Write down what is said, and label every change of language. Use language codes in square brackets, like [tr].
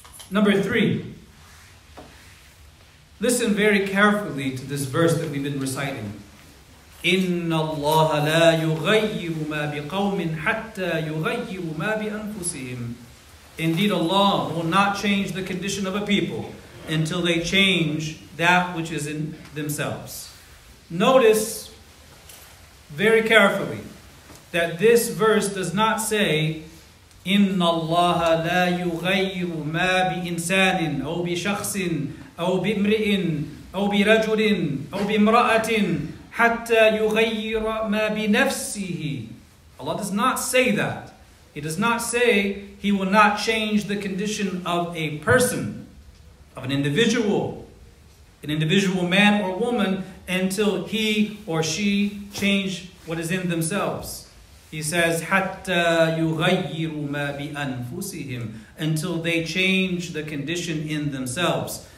[en] Number three, listen very carefully to this verse that we've been reciting. [ar] إِنَّ اللَّهَ لَا يُغَيِّرُ مَا بِقَوْمٍ حَتَّى يُغَيِّرُ مَا بِأَنفُسِهِمْ. [en] Indeed, Allah will not change the condition of a people until they change that which is in themselves. Notice very carefully that this verse does not say, [ar] إِنَّ اللَّهَ لَا يُغَيِّرُ مَا بِإِنسَانٍ أَوْ بِشَخْصٍ أَوْ بِإِمْرِئٍ أَوْ بِرَجُلٍ أَوْ بِإِمْرَأَةٍ حَتَّى يُغَيِّرَ مَا بِنَفْسِهِ. [en] Allah does not say that. He does not say He will not change the condition of a person, of an individual man or woman, until he or she change what is in themselves. He says, [ar] حَتَّى يُغَيِّرُ مَا بِأَنفُسِهِمْ, [en] until they change the condition in themselves.